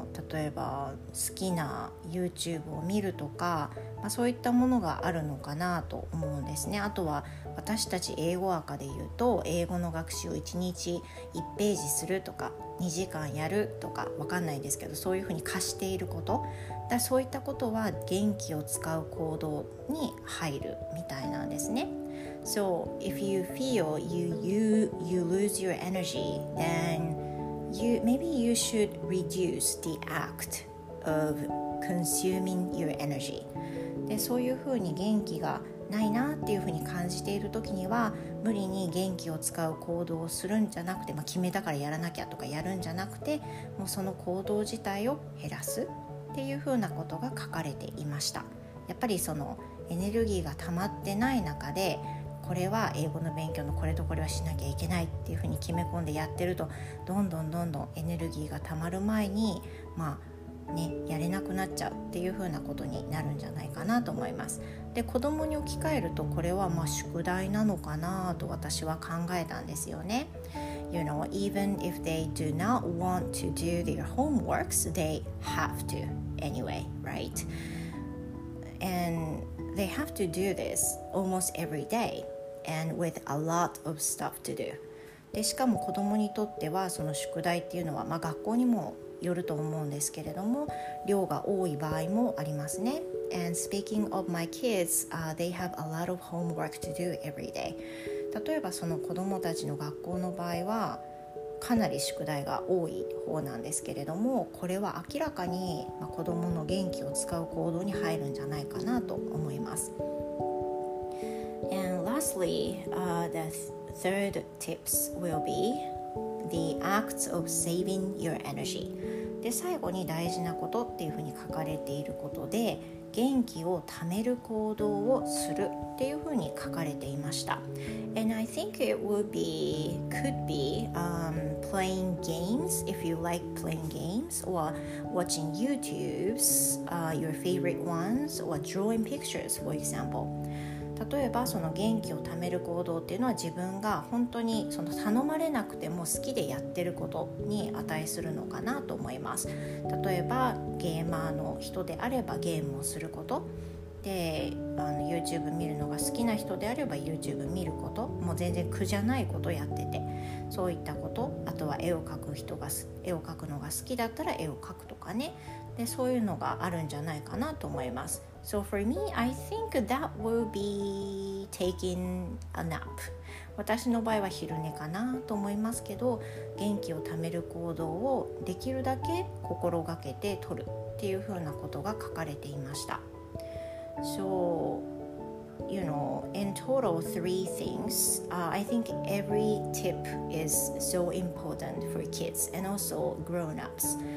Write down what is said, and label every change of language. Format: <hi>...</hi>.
<ja>例えば好きな YouTube を見るとか、まあ、そういったものがあるのかなと思うんですね。あとは私たち英語アカで言うと英語の学習を1日1ページするとか2時間やるとか、わかんないですけど、そういうふうに貸していること、だそういったことは元気を使う行動に入るみたいなんですね。</ja> <en>So if you feel you lose your energy, then maybe you should reduce the act of consuming your energy.</en> <ja>で、そういうふうに元気がないなっていうふうに感じているときには、無理に元気を使う行動をするんじゃなくて、まあ、決めたからやらなきゃとかやるんじゃなくて、もうその行動自体を減らすっていうふうなことが書かれていました。やっぱりそのエネルギーが溜まってない中で、これは英語の勉強のこれとこれはしなきゃいけないっていうふうに決め込んでやってると、どんどんどんどんエネルギーが溜まる前に、まあね、やれなくなっちゃうっていうふうなことになるんじゃないかなと思います。で、子供に置き換えると、これはまあ宿題なのかなと私は考えたんですよね。</ja> <en>You know, even if they do not want to do their homeworks, they have to anyway, right? And they have to do this almost every day and with a lot of stuff to do.</en> <ja>で、しかも子供にとってはその宿題っていうのは、まあ、学校にもよると思うんですけれども、量が多い場合もありますね。</ja> <en>And speaking of my kids, they have a lot of homework to do every day.</en> <ja>例えばその子供たちの学校の場合はかなり宿題が多い方なんですけれども、これは明らかに子供の元気を使う行動に入るんじゃないかなと思います。</ja> <en>And lastly, the third tips will beThe acts of saving your energy.</en> <ja>で、最後に大事なことっていうふうに書かれていることで、元気を貯める行動をするっていうふうに書かれていました。</ja> <en>And I think it would be, could be, playing games, if you like playing games, or watching YouTube's, your favorite ones, or drawing pictures, for example.</en> <ja>例えばその元気を貯める行動っていうのは、自分が本当にその頼まれなくても好きでやってることに値するのかなと思います。例えばゲーマーの人であればゲームをすることで、YouTube 見るのが好きな人であれば YouTube 見ること、もう全然苦じゃないことやってて、そういったこと、あとは絵を描く人が絵を描くのが好きだったら絵を描くとかね、でそういうのがあるんじゃないかなと思います。</ja> <en>So for me, I think that will be taking a nap.</en> <ja>私の場合は昼寝かなと思いますけど、元気を貯める行動をできるだけ心がけて取るっていうふうなことが書かれていました。</ja> <en>So, you know, in total, three things. I think every tip is so important for kids and also grown-ups.</en>